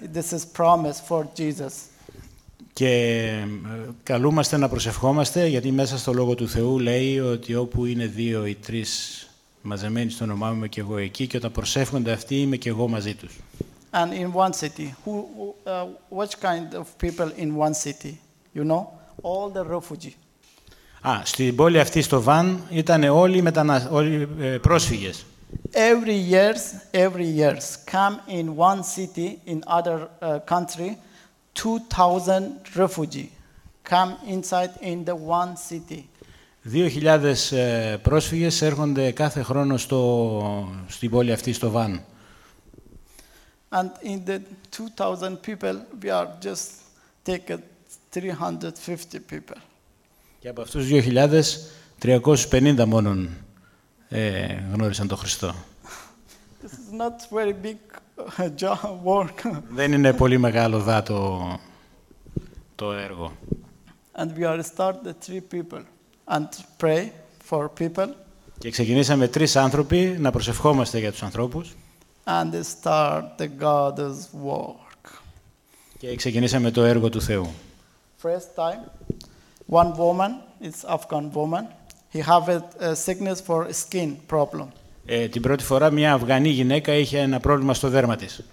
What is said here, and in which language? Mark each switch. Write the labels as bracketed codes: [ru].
[en] This is promise for Jesus. [el] Και καλούμαστε να προσευχόμαστε, γιατί μέσα στο Λόγο του Θεού λέει ότι όπου είναι δύο ή τρεις μαζεμένοι στο όνομά μου, είμαι και εγώ εκεί, και όταν προσεύχονται αυτοί, είμαι και εγώ μαζί τους. [en] And in one city, who, which kind of people in one city, you know, all the refugees. [el] Στην πόλη αυτή, στο Βαν, ήταν όλοι όλοι πρόσφυγες. [en] Every year, come in one city, in other country, 2,000 refugees come inside in the one city. [el] 2,000 πρόσφυγες έρχονται κάθε χρόνο στην πόλη αυτή, στο Βαν. [en] And in the 2,000 people, we are just taken 350 people. [el] Και από αυτούς 2,000, 350 μόνον γνώρισαν τον Χριστό. [en] This is not very big job work. [el] Δεν είναι πολύ μεγάλο δάτο το έργο. [en] And we are started 3 people and pray for people. [el] Και ξεκινήσαμε 3 άνθρωποι να προσευχόμαστε για τους ανθρώπους. [en] And start the God's work. [el] Και ξεκινήσαμε το έργο του Θεού. [en] First time, one woman, it's Afghan woman, he have a sickness for skin problem. [el] Την πρώτη φορά μια Αφγανή γυναίκα είχε ένα πρόβλημα στο δέρμα της.